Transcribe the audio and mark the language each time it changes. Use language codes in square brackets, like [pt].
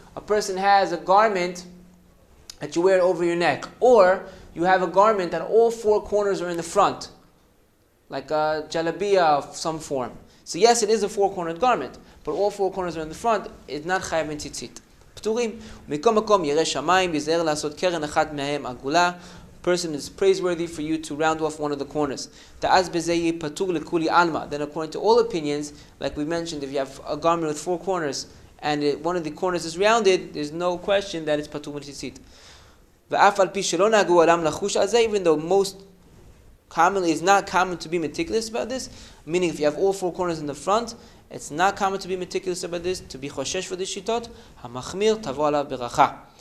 [en] A person has a garment that you wear over your neck, or you have a garment that all four corners are in the front, like a jalabiya of some form. So yes, it is a four-cornered garment, but all four corners are in the front, it's not chayav in tzitzit. [he] פטורים. מכל מקום ירא שמיים ויזהר לעשות קרן אחת מהם עגולה. [en] Person is praiseworthy for you to round off one of the corners. [he] תאז בזה יהיה פטור לכולי עלמא. [en] Then according to all opinions, like we mentioned, if you have a garment with four corners and one of the corners is rounded, there's no question that it's פטור מתיצית. [he] ואף על פי שלא נהגו עולם לחוש על זה, [en] even though most commonly it's not common to be meticulous about this, meaning if you have all four corners in the front, it's not common to be meticulous about this, to be choshesh for this shitot, [he] ha-machmir tavo alav beracha.